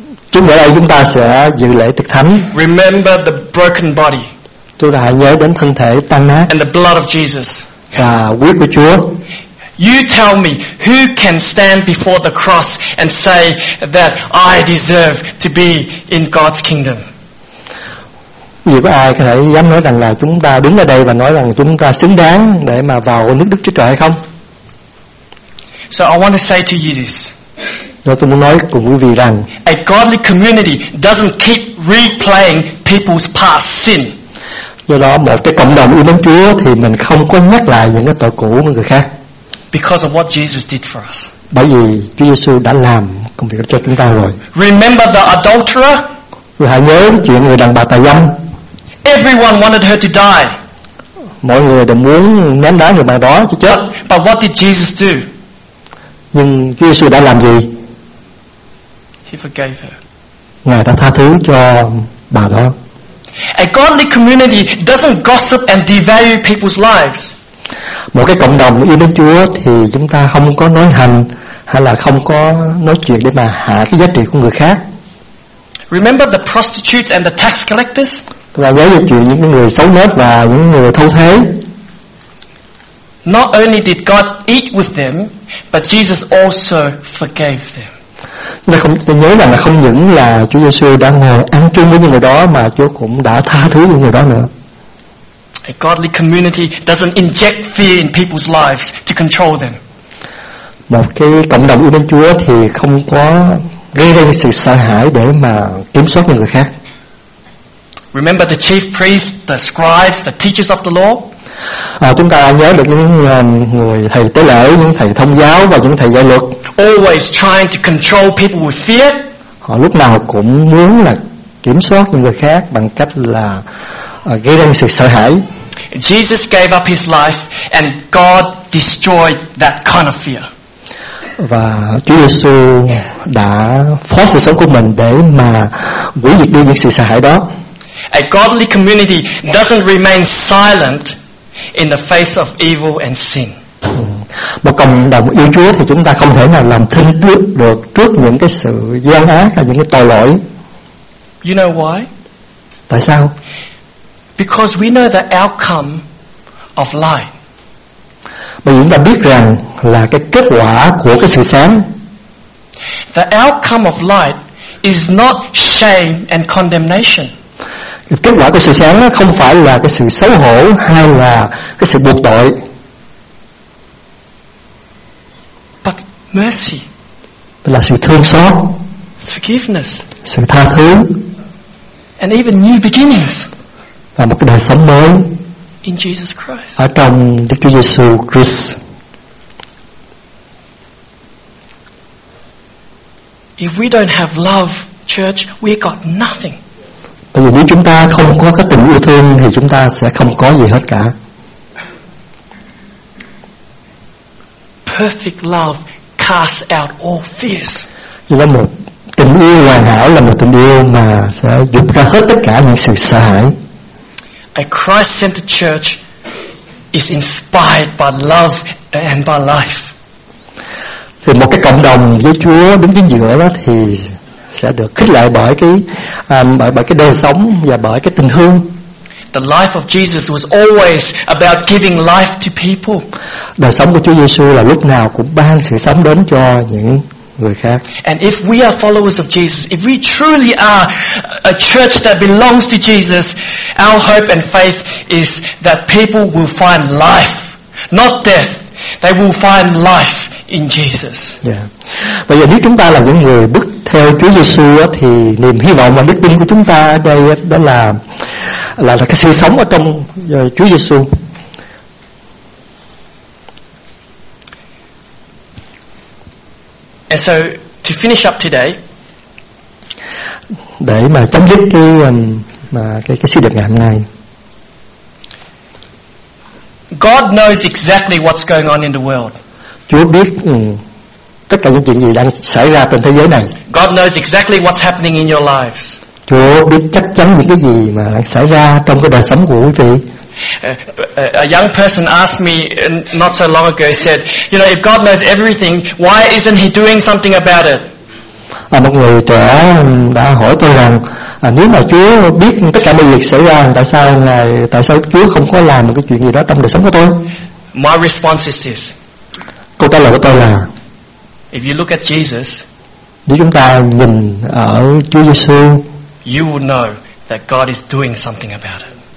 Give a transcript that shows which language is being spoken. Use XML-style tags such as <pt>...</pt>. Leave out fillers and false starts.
<vi>Chúng ở đây chúng ta sẽ dự lễ thực thánh.</vi> <en>Remember the broken body.</en> <vi>Chúng ta hãy nhớ đến thân thể tan nát.</vi> <en>And the blood of Jesus.</en> <vi>Và huyết của Chúa.</vi> <en>You tell me who can stand before the cross and say that I deserve to be in God's kingdom.</en> <vi>Vì có ai có thể dám nói rằng là chúng ta đứng ở đây và nói rằng chúng ta xứng đáng để mà vào nước Đức Chúa Trời hay không?</vi> <en>So I want to say to you this.</en> <vi>Đó, tôi muốn nói cùng quý vị rằng</vi> <en>a godly community doesn't keep replaying people's past sin.</en> <vi>Do đó một cái cộng đồng yêu mến Chúa thì mình không có nhắc lại những cái tội cũ của người khác.</vi> <en>Because of what Jesus did for us.</en> <vi>Bởi vì Chúa Giêsu đã làm công việc cho chúng ta rồi.</vi> <en>Remember the adulterer?</en> <vi>Hãy nhớ cái chuyện người đàn bà tà dâm.</vi> <en>Everyone wanted her to die.</en> <vi>Mọi người đều muốn ném đá người bà đó cho chết.</vi> <en>But what did Jesus do?</en> <vi>Nhưng Chúa Giêsu đã làm gì?</vi> <en>He forgave her.</en> <vi>Ngài đã tha thứ cho bà đó.</vi> <en>A godly community doesn't gossip and devalue people's lives.</en> <vi>Một cái cộng đồng yêu mến Chúa thì chúng ta không có nói hành hay là không có nói chuyện để mà hạ cái giá trị của người khác.</vi> <en>Remember the prostitutes and the tax collectors?</en> <vi>Tôi nhớ về chuyện những người xấu nết và những người thâu thế.</vi> <en>Not only did God eat with them, but Jesus also forgave them.</en> <vi>Tôi nhớ rằng là không những là Chúa Giêsu đang ngồi ăn chung với những người đó mà Chúa cũng đã tha thứ những người đó nữa.</vi> <en>A godly community doesn't inject fear in people's lives to control them.</en> <vi>Một cái cộng đồng yêu mến Chúa thì không có gây ra sự sợ hãi để mà kiểm soát những người khác.</vi> <en>Remember the chief priests, the scribes, the teachers of the law?</en> <vi>Chúng ta nhớ được những người thầy tế lễ, những thầy thông giáo và những thầy giáo luật.</vi> <en>Always trying to control people with fear.</en> <vi>Họ lúc nào cũng muốn là kiểm soát những người khác bằng cách là gây ra sự sợ hãi.</vi> <en>Jesus gave up his life and God destroyed that kind of fear.</en> <vi>Và Chúa Giêsu đã phó sự sống của mình để mà hủy diệt đi những sự sợ hãi đó.</vi> <en>A godly community doesn't remain silent in the face of evil and sin.</en> <vi>Một cộng đồng yêu Chúa thì chúng ta không thể nào làm thinh đứng được trước những cái sự gian ác và những cái tội lỗi.</vi> <en>You know why?</en> <vi>Tại sao?</vi> <en>Because we know the outcome of light.</en> <vi>Bởi chúng ta biết rằng là cái kết quả của cái sự sáng.</vi> <en>The outcome of light is not shame and condemnation.</en> <vi>Kết quả của sự sáng nó không phải là cái sự xấu hổ hay là cái sự buộc tội.</vi> <en>But mercy.</en> <vi>Là sự thương xót.</vi> <en>Forgiveness.</en> <vi>Sự tha thứ.</vi> <en>And even new beginnings.</en> <vi>Và một cái đời sống mới.</vi> <en>In Jesus Christ.</en> <vi>Ở trong Đức Chúa Giêsu Christ.</vi> <en>If we don't have love, church, we got nothing.</en> <vi>Bởi vì nếu chúng ta không có cái tình yêu thương thì chúng ta sẽ không có gì hết cả.</vi> <en>Perfect love casts out all fears.</en> <vi>Vậy là một tình yêu hoàn hảo là một tình yêu mà sẽ dụp ra hết tất cả những sự sợ hãi.</vi> <en>A Christ-centered church is inspired by love and by life.</en> <vi>Thì một cái cộng đồng với Chúa đứng chính giữa đó thì sẽ được khích lệ bởi cái bởi cái đời sống và bởi cái tình thương.</vi> <en>The life of Jesus was always about giving life to people.</en> <vi>Đời sống của Chúa Giêsu là lúc nào cũng ban sự sống đến cho những người khác.</vi> <en>And if we are followers of Jesus, if we truly are a church that belongs to Jesus, our hope and faith is that people will find life, not death. They will find life in Jesus. Yeah.</en> <vi>Bây giờ nếu chúng ta là những người bước theo Chúa Giêsu thì niềm hy vọng và đức tin của chúng ta đây đó là cái sự sống ở trong Chúa Giêsu.</vi> <en>And so to finish up today,</en> <vi>để mà chấm dứt cái sứ điệp ngày hôm nay.</vi> <en>God knows exactly what's going on in the world.</en> <vi>Chúa biết tất cả những chuyện gì đang xảy ra trên thế giới này.</vi> <en>God knows exactly what's happening in your lives.</en> <vi>Chúa biết chắc chắn những cái gì mà xảy ra trong cái đời sống của quý vị.</vi> <en>A young person asked me not so long ago, said, you know, if God knows everything, why isn't he doing something about it?</en> <vi>Một người trẻ đã hỏi tôi rằng nếu mà Chúa biết tất cả mọi việc xảy ra, tại sao Chúa không có làm một cái chuyện gì đó trong đời sống của tôi?</vi> <en>My response is this.</en> <vi>Câu trả lời của tôi là,</vi> <en>if you look at Jesus,</en> <vi>nếu chúng ta nhìn ở Chúa Giêsu,</vi> <en>you will know that God is doing something about it.</en>